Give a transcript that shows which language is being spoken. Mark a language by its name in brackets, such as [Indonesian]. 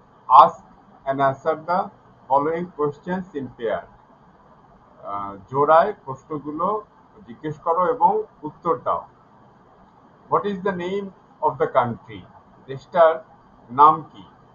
[English] Ask and answer the following questions in pair. [Bangla] জোড়ায় প্রশ্নগুলো জিজ্ঞেস করো এবং উত্তর দাও। [English] What is the name of the country? [Bangla] দেশটার নাম কি?